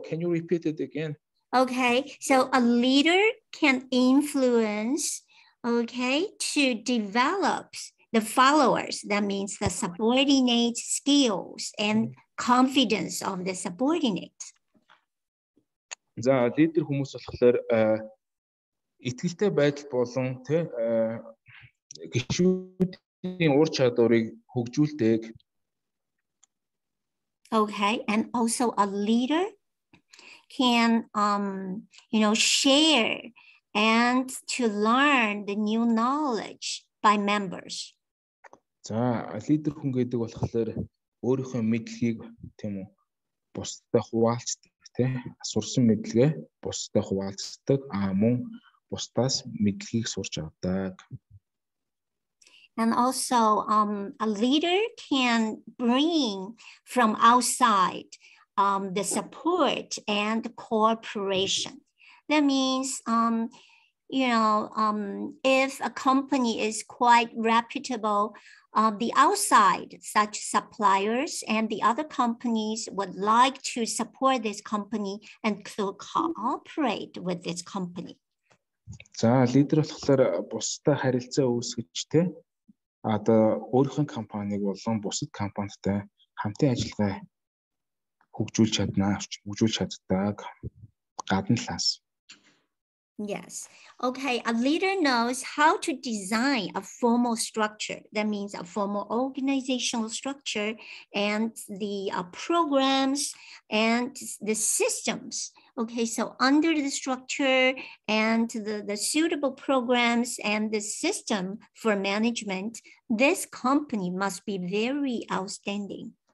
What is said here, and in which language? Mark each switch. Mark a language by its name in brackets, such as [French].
[English] Can you repeat it again? Okay. So a leader can influence. Okay, to develop the followers. That means the subordinate skills and confidence of the subordinate. [Mongolian] За лидер хүмүүс болохоор итгэлтэй байдал болон тэ гишүүдийн ур чадварыг хөгжүүлдэг. [English] Okay, and also a leader can you know share and to learn the new knowledge by members. [Mongolian] За лидер хүн гэдэг болохоор өөрийнхөө мэдлэгийг тийм үү бусдад хуваалцдаг тийм сурсан мэдлэгээ бусдад хуваалцдаг аа мөн бусдаас мэдлэгийг сурч авдаг. [English] And also a leader can bring from outside the support and cooperation. That means if a company is quite reputable, the outside, such suppliers and the other companies would like to support this company and to cooperate with this company. [Mongolian] За лидер болохоор бусдад харилцаа үүсгэж тэ одоо өөрийнхөө компаниг болон бусад компанитай хамтын ажиллагаа хөгжүүлж чадна хөгжүүлж чаддаг гадна талаас. [English] Yes. Okay, a leader knows how to design a formal structure. That means a formal organizational structure and the programs and the systems. Okay, so under the structure and the suitable programs and the system for management, this company must be very outstanding.